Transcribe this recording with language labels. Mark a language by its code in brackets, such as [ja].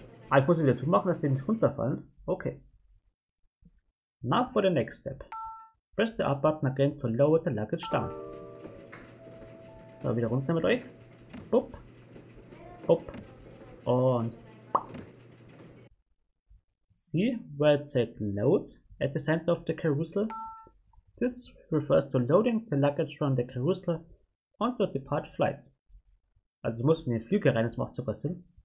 [de] Ah, ich muss wieder zumachen, dass die nicht runterfallen. [en] Okay. Now for the next step. Press the up button again to lower the luggage down. [de] So, wieder runter mit euch. Bup. Bup. Und. [en] See where it said load at the center of the carousel? This refers to loading the luggage from the carousel onto the depart flight. [de] Also, es muss in den Flügel rein, es macht sogar Sinn.